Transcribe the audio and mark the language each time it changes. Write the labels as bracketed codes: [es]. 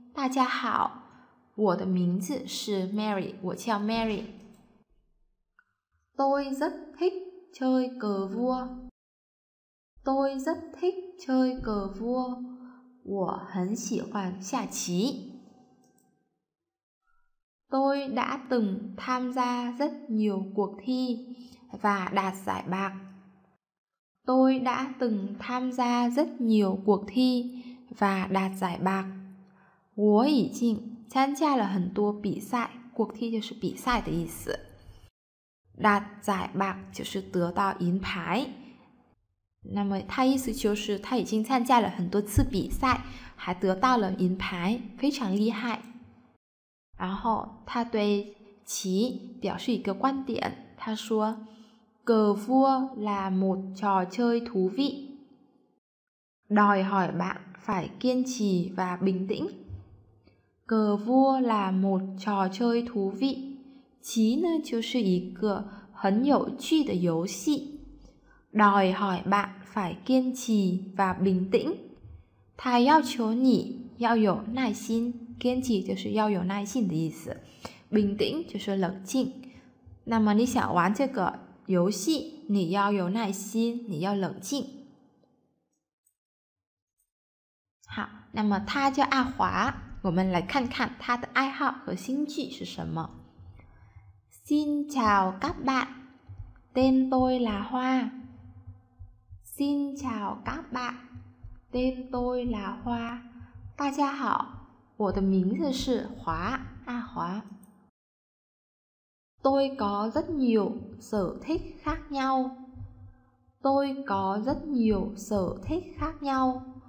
[zh] 大家好，我的名字是 Mary, 我叫 Mary. [vi] Tôi rất thích chơi cờ vua. Tôi rất thích chơi cờ vua. [zh] 我很喜欢下棋。 [vi] Tôi đã từng tham gia rất nhiều cuộc thi và đạt giải bạc. Tôi đã từng tham gia rất nhiều cuộc thi và đạt giải bạc. [zh] 我已经参加了很多比赛， [vi] cuộc thi [zh] 就是比赛的意思。 [vi] Đạt giải bạc [zh] 就是得到银牌。那么他意思就是他已经参加了很多次比赛，还得到了银牌，非常厉害。然后他对棋表示一个观点，他说 [vi] Cờ vua là một trò chơi thú vị. Đòi hỏi bạn phải kiên trì và bình tĩnh. Cờ vua là một trò chơi thú vị. [zh] 棋呢就是一个很有趣的游戏。 [vi] Đòi hỏi bạn phải kiên trì và bình tĩnh. [zh] 他要求你要有耐心，坚持就是要有耐心的意思，冰顶就是冷静。那么你想玩这个游戏，你要有耐心，你要冷静。好，那么他叫阿华，我们来看看他的爱好和兴趣是什么。 [vi] Xin chào các bạn, tên tôi là Hoa. Xin chào các bạn, tên tôi là Hoa. [zh] 大家好，我的名字是华，阿华。 [vi] Tôi có rất nhiều sở thích khác nhau. Tôi có rất nhiều sở thích khác nhau.